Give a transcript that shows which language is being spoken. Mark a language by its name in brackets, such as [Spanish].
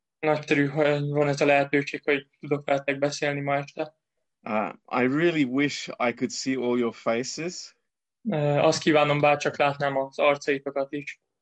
[Hungarian] Nagyszerű, hogy van ez a lehetőség, hogy tudok veletek beszélni ma este. [English] I really wish I could see all your faces. [Hungarian] Azt kívánom, bár csak látnám az arcaitokat is.